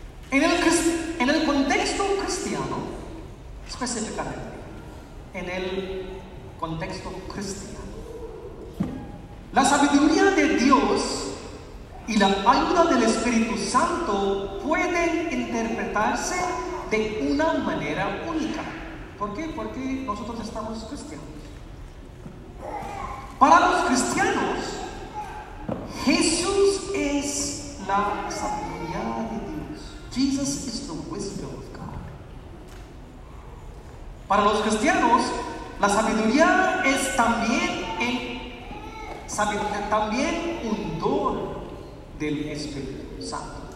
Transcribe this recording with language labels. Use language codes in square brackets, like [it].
[es] En el contexto cristiano, específicamente, en el contexto cristiano, la sabiduría de Dios y la ayuda del Espíritu Santo pueden interpretarse de una manera única. ¿Por qué? Porque nosotros estamos cristianos. Para los cristianos, Jesús es la sabiduría de Dios. [en] Jesus is the wisdom of God. [es] Para los cristianos, la sabiduría es también en sabiduría, también un don del Espíritu Santo.